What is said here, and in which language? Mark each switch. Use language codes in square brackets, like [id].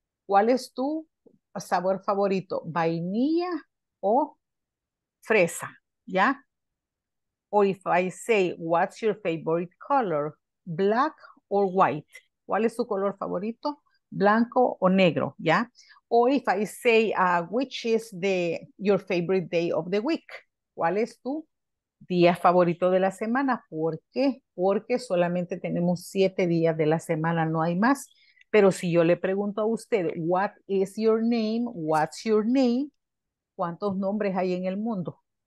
[es] ¿Cuál es tu sabor favorito, vainilla o fresa? ¿Ya? [en] O if I say, what's your favorite color, black or white? [es] ¿Cuál es tu color favorito, blanco o negro? ¿Ya? [en] O if I say, which is your favorite day of the week? [es] ¿Cuál es tu día favorito de la semana? ¿Por qué? Porque solamente tenemos 7 días de la semana, no hay más. Pero si yo le pregunto a usted, [en] what is your name? What's your name? [es] ¿Cuántos nombres hay en el mundo?